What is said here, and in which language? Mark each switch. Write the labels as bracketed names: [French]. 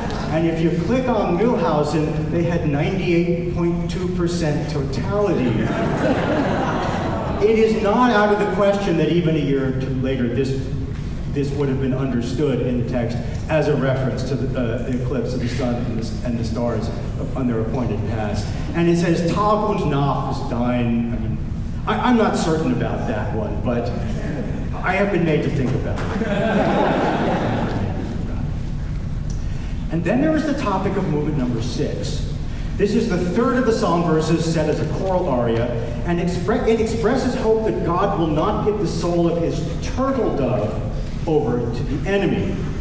[English] And if you click on Mühlhausen, they had 98.2% totality. It is not out of the question that even a year or two later, this would have been understood in the text as a reference to the eclipse of the sun and the stars on their appointed paths. And it says, [German] Tag und Nacht ist dein. [English] I mean, I'm not certain about that one, but I have been made to think about it. And then there is the topic of movement number 6. This is the third of the song verses set as a choral aria, and it expresses hope that God will not give the soul of his turtle dove over to the enemy.